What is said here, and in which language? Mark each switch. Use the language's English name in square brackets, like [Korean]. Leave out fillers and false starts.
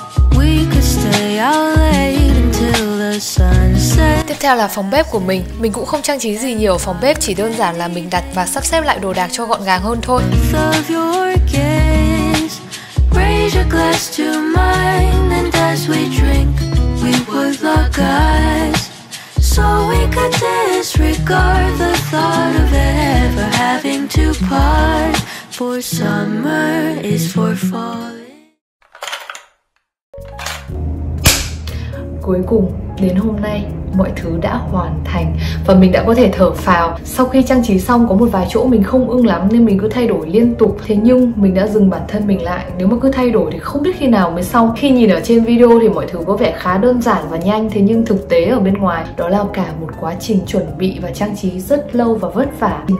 [English] We could stay out late until the sun sets. [Vietnamese] Tiếp theo là phòng bếp của mình. Mình cũng không trang trí gì nhiều ở phòng bếp, chỉ đơn giản là mình đặt và sắp xếp lại đồ đạc cho gọn gàng hơn thôi. [English] Love your gaze. Raise your glass to mine, and as we drink we would lock eyes, so we could disregard the thought of ever having to part. For summer is for falling. [Vietnamese] Cuối cùng, đến hôm nay, mọi thứ đã hoàn thành và mình đã có thể thở phào. Sau khi trang trí xong, có một vài chỗ mình không ưng lắm nên mình cứ thay đổi liên tục. Thế nhưng mình đã dừng bản thân mình lại. Nếu mà cứ thay đổi thì không biết khi nào mới xong. Khi nhìn ở trên video thì mọi thứ có vẻ khá đơn giản và nhanh. Thế nhưng thực tế ở bên ngoài, đó là cả một quá trình chuẩn bị và trang trí rất lâu và vất vả.